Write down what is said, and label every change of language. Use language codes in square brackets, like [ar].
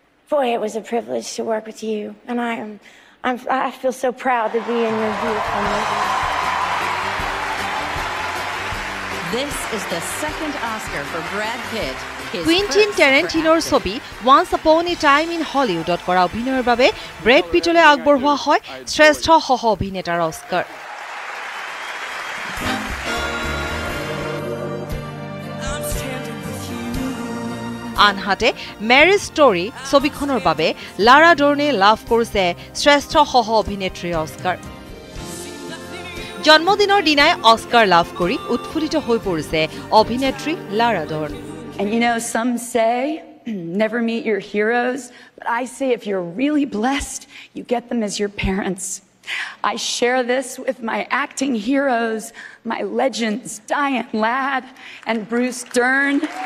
[en] Boy, it was a privilege to work with you, and I feel so proud to be in your beautiful movie. This is the second Oscar for Brad Pitt. [as] কুইণ্টিন টেৰেণ্টিনোৰ ছবি once আপন এ time in হলিউডত কৰা অভিনয়ৰ বাবে bread পিটলৈ আগবঢ়োৱা হয় শ্ৰেষ্ঠ সহ অভিনেতাৰ অস্কাৰ। আনহাতে মেৰী ষ্টৰী ছবিখনৰ বাবে লাৰা ডৰ্ণে লাভ কৰিছে শ্ৰেষ্ঠ সহ অভিনেত্ৰীৰ অস্কাৰ। জন্মদিনৰ দিনাই অস্কাৰ লাভ কৰি উৎফুল্লিত হৈ পৰিছে অভিনেত্ৰী Lara ডৰ্ণ। [en] And you know, some say, never meet your heroes, but I say if you're really blessed, you get them as your parents. I share this with my acting heroes, my legends, Diane Ladd and Bruce Dern.